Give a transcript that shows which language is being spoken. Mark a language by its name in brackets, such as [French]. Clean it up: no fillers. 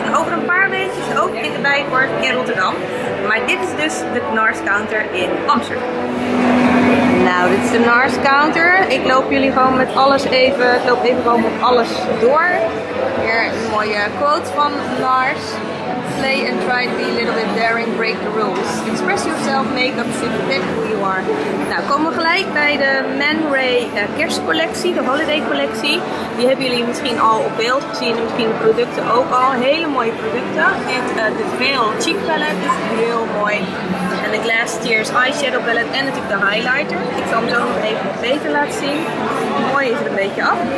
[Dutch] En over een paar weken ook in de Bijenkorf in Rotterdam. Maar dit is dus de NARS counter in Amsterdam. Nou, dit is de NARS counter. Ik loop jullie gewoon met alles even. Ik loop even gewoon met alles door. Hier een mooie quote van NARS. [English] Play and try to be a little bit daring, break the rules. Express yourself, make-up, fit who you are. [Dutch] Nou, komen we gelijk bij de Man Ray kerstcollectie, de holiday collectie. Die hebben jullie misschien al op beeld gezien, misschien de producten ook al. Hele mooie producten. Dit de Veil Cheek Palette is heel mooi. En de Glass Tears Eyeshadow Palette en natuurlijk de highlighter. Ik zal hem zo nog even wat beter laten zien. Mooi is er een beetje af.